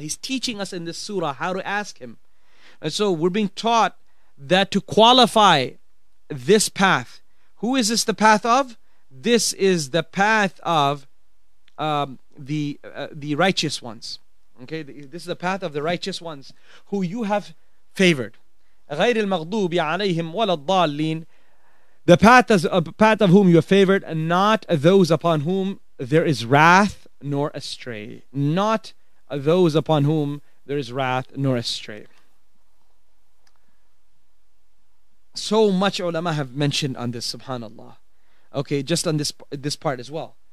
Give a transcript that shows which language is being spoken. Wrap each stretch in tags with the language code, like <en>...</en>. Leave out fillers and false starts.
<en>He's teaching us in this surah how to ask him. And so we're being taught that to qualify this path, who is this the path of? This is the path of the righteous ones. Okay, this is the path of the righteous ones who you have favored.</en> <ar>غير المغضوب عليهم ولا الضالين.</ar> <en>The path is a path of whom you have favored, and not those upon whom there is wrath nor astray. Not those upon whom there is wrath nor astray. So much ulama have mentioned on this, subhanallah. Okay, just on this part as well.</en>